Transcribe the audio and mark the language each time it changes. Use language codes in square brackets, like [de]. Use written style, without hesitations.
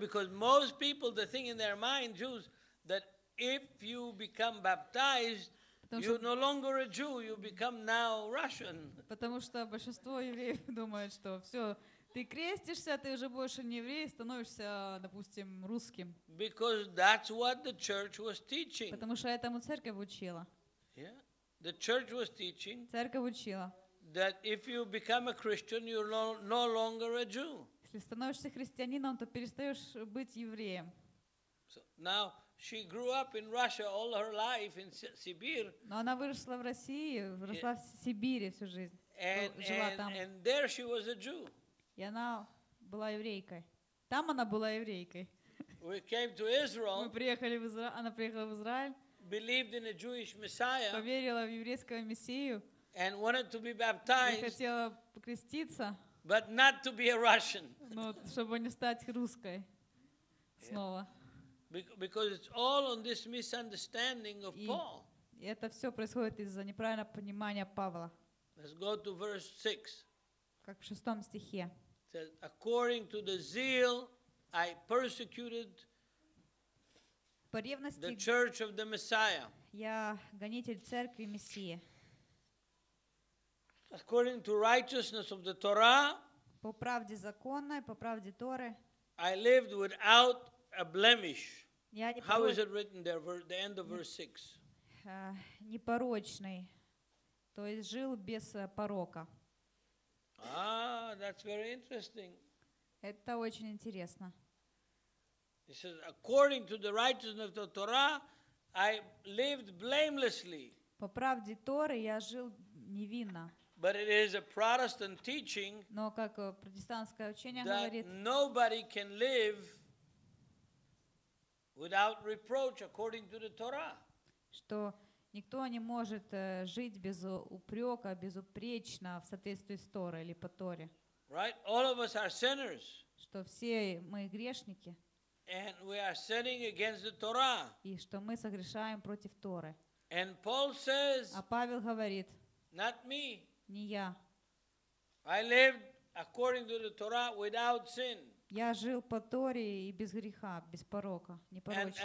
[en] Because most people, the thing in their mind, Jews, that if you become baptized, you're no longer a Jew, you become now Russian. [ru] Потому что большинство евреев думают, что все, ты крестишься, ты уже больше не еврей, становишься, допустим, русским. [en] Because that's what the church was teaching. [ru] Потому что этому церковь учила. [en] Yeah. The church was teaching. [ru] Церковь учила. [en] That if you become a Christian, you're no longer a Jew. [ru] Если становишься христианином, то перестаешь быть евреем. [en] So now she grew up in Russia all her life in Sibir. [ru] Но она выросла в России, выросла в Сибири всю жизнь. [en] And there she was a Jew. [ru] И она была еврейкой. Там она была еврейкой. [en] We came to Israel. [ru] Мы приехали в Израиль. Она приехала в Израиль. [en] Believed in a Jewish Messiah. [ru] Поверила в еврейского мессию. [en] And wanted to be baptized. [ru] И хотела креститься. [en] But not to be a Russian. [ru] Но чтобы не стать русской снова. [en] Because it's all on this misunderstanding of Paul. [ru] И это все происходит из-за неправильного понимания Павла. [en] Let's go to verse 6. [ru] Как в шестом стихе. [en] According to the zeal I persecuted the church of the Messiah. [ru] Я гонитель церкви Мессии. [en] According to righteousness of the Torah, [ru] по правде законной, по правде Торы, [en] I lived without a blemish. [ru] Я не [en] How is it written there, the end of verse 6? [ru] Непорочный, то есть жил без порока. [en] That's very interesting. [ru] Это очень интересно. [en] He says, according to the righteousness of the Torah, I lived blamelessly. [ru] По правде Торы я жил невинно. [en] But it is a Protestant teaching. [ru] Но как протестантское учение [en] that [ru] говорит. [en] That nobody can live without reproach according to the Torah. [ru] Что никто не может жить без упрека, безупречно в соответствии с Торой или по Торе. [en] Right? All of us are sinners. [ru] Что все мы грешники. [en] And we are sinning against the Torah. [ru] И что мы согрешаем против Торы. [en] And Paul says, [ru] а Павел говорит, [en] not me. [ru] Не я. [en] I lived according to the Torah without sin. [ru] Я жил по Торе и без греха, без порока, непорочный.